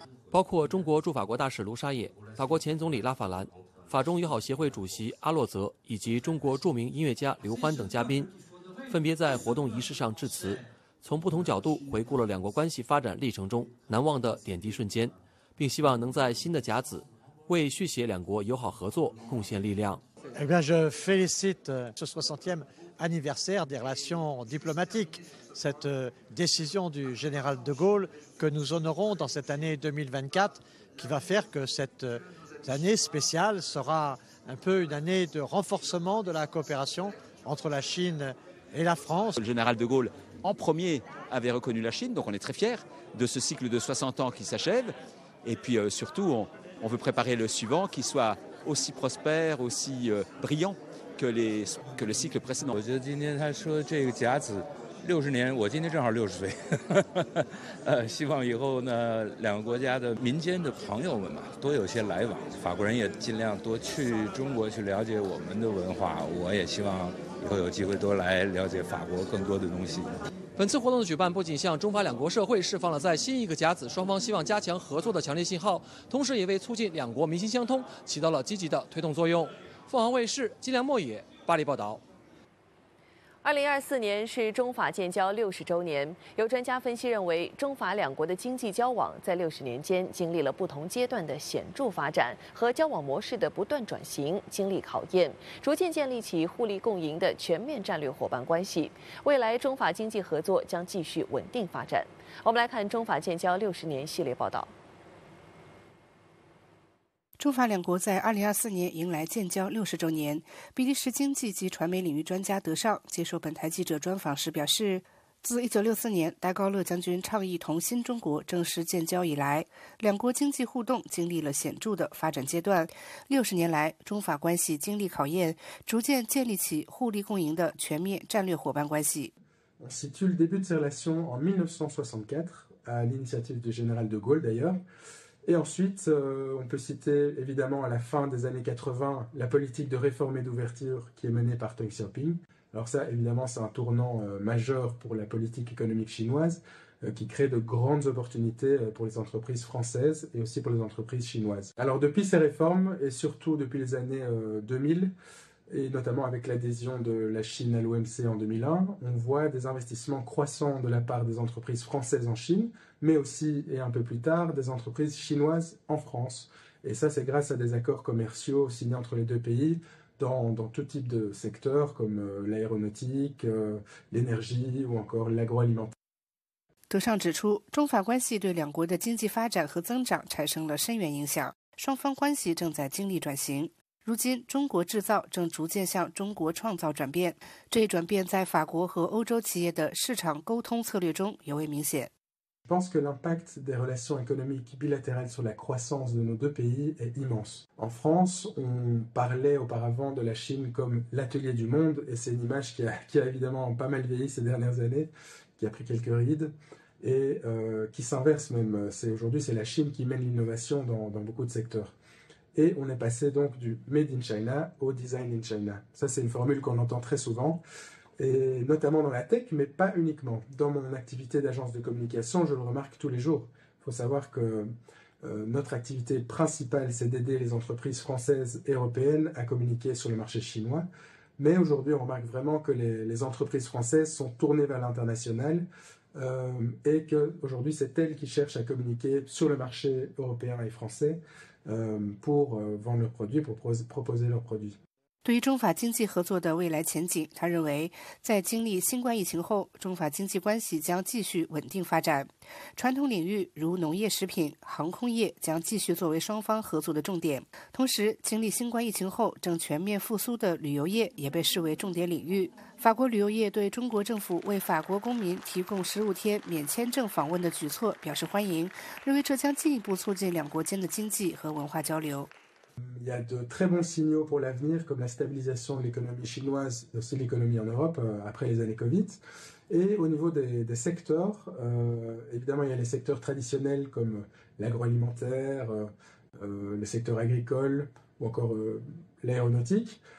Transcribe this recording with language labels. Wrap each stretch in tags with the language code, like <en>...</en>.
<zh>包括中国驻法国大使卢沙野、法国前总理拉法兰、法中友好协会主席阿洛泽以及中国著名音乐家刘欢等嘉宾分别在活动仪式上致辞，从不同角度回顾了两国关系发展历程中难忘的点滴瞬间，并希望能在新的甲子为续写两国友好合作贡献力量。</zh> <fr>Eh bien, je félicite ce 60e anniversaire des relations diplomatiques, cette décision du général de Gaulle que nous honorons dans cette année 2024, qui va faire que cette année spéciale sera un peu une année de renforcement de la coopération entre la Chine et la France. Le général de Gaulle, en premier, avait reconnu la Chine, donc on est très fiers de ce cycle de 60 ans qui s'achève. Et puis surtout, on veut préparer le suivant qui soit aussi prospère, aussi brillant que le cycle précédent. Je dis que ce cycle est 60 ans, moi je suis 60 ans. J'espère que les deux pays de l'Union européenne ont un peu de relations. Les Français aussi, ils ont essayé de voir la Chine pour connaître notre culture. J'espère qu'il y aura une occasion de connaître la France plus de choses.</fr> <zh>本次活动的举办不仅向中法两国社会释放了在新一个甲子双方希望加强合作的强烈信号，同时也为促进两国民心相通起到了积极的推动作用。凤凰卫视金良墨野巴黎报道。 2024年是中法建交60周年，有专家分析认为，中法两国的经济交往在60年间经历了不同阶段的显著发展和交往模式的不断转型，经历考验，逐渐建立起互利共赢的全面战略伙伴关系。未来中法经济合作将继续稳定发展。我们来看中法建交60年系列报道。中法两国在2024年迎来建交60周年。比利时经济及传媒领域专家德尚接受本台记者专访时表示，自1964年戴高乐将军倡议同新中国正式建交以来，两国经济互动经历了显著的发展阶段。 60年来，中法关系经历考验，逐渐建立起互利共赢的全面战略伙伴关系。</zh> <fr>Situe le début de ces relations en 1964, à l'initiative du général de Gaulle d'ailleurs. Et ensuite, on peut citer évidemment à la fin des années 80 la politique de réforme et d'ouverture qui est menée par Deng Xiaoping. Alors ça, évidemment, c'est un tournant majeur pour la politique économique chinoise qui crée de grandes opportunités pour les entreprises françaises et aussi pour les entreprises chinoises. Alors depuis ces réformes et surtout depuis les années 2000, et notamment avec l'adhésion de la Chine à l'OMC en 2001, on voit des investissements croissants de la part des entreprises françaises en Chine, mais aussi, et un peu plus tard, des entreprises chinoises en France. Et ça, c'est grâce à des accords commerciaux signés entre les deux pays dans tout type de secteurs comme l'aéronautique, l'énergie ou encore l'agroalimentaire.</fr> <zh>德尚指出，中法关系对两国的经济发展和增长产生了深远影响，双方关系正在经历转型。如今，中国制造正逐渐向中国创造转变，这一转变在法国和欧洲企业的市场沟通策略中尤为明显。</zh> <fr>Je pense que l'impact des relations économiques bilatérales sur la croissance de nos deux pays est immense. En France, on parlait auparavant de la Chine comme l'atelier du monde, et c'est une image qui a évidemment pas mal vieilli ces dernières années, qui a pris quelques rides, et qui s'inverse même. Aujourd'hui, c'est la Chine qui mène l'innovation dans beaucoup de secteurs. Et on est passé donc du « made in China » au « design in China ». Ça, c'est une formule qu'on entend très souvent. Et notamment dans la tech, mais pas uniquement. Dans mon activité d'agence de communication, je le remarque tous les jours. Il faut savoir que notre activité principale, c'est d'aider les entreprises françaises et européennes à communiquer sur le marché chinois. Mais aujourd'hui, on remarque vraiment que les entreprises françaises sont tournées vers l'international et qu'aujourd'hui, c'est elles qui cherchent à communiquer sur le marché européen et français pour vendre leurs produits, pour proposer leurs produits.</fr> <zh>对于中法经济合作的未来前景，他认为在经历新冠疫情后，中法经济关系将继续稳定发展，传统领域如农业食品、航空业将继续作为双方合作的重点。同时，经历新冠疫情后正全面复苏的旅游业也被视为重点领域。法国旅游业对中国政府为法国公民提供15天免签证访问的举措表示欢迎，认为这将进一步促进两国间的经济和文化交流。</zh> <fr>Il y a de très bons signaux pour l'avenir, comme la stabilisation de l'économie chinoise, aussi l'économie en Europe après les années Covid. Et au niveau des secteurs, évidemment, il y a les secteurs traditionnels comme l'agroalimentaire, le secteur agricole ou encore l'aéronautique.</fr>